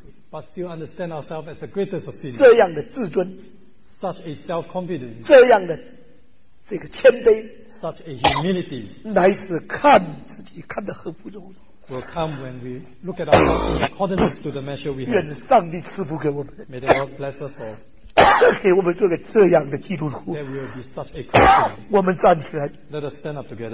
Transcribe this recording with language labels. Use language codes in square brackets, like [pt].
[en] But still understand ourselves as the greatest of sinners. Such a self-confidence. Such a humility will come when we look at ourselves in accordance to the measure we have. May the Lord bless us all. [zh] 给我们做个这样的基督徒。 [en] That we will be such a Christian. [zh] 我们站起来。 [en] Let us stand up together.